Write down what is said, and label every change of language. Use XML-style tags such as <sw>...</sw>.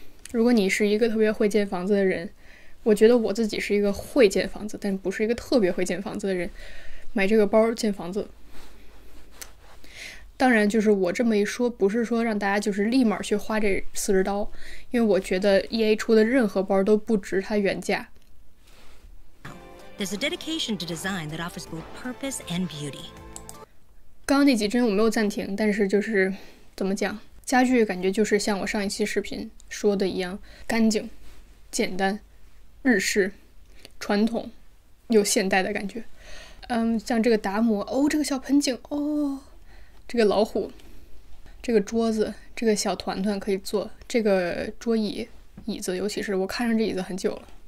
<zh>如果你是一个特别会建房子的人，我觉得我自己是一个会建房子但不是一个特别会建房子的人，买这个包建房子。当然就是我这么一说不是说让大家就是立马去花这$40，因为我觉得 EA 出的任何包都不值它原价。</zh> <en>There's a dedication to design that offers both purpose and beauty.</en> <zh>刚刚那几帧我没有暂停，但是就是怎么讲，家具感觉就是像我上一期视频说的一样，干净、简单、日式、传统、有现代的感觉。像这个达摩，哦，这个小盆景，哦，这个老虎，这个桌子，这个小团团可以坐，这个桌椅、椅子，尤其是我看上这椅子很久了。</zh>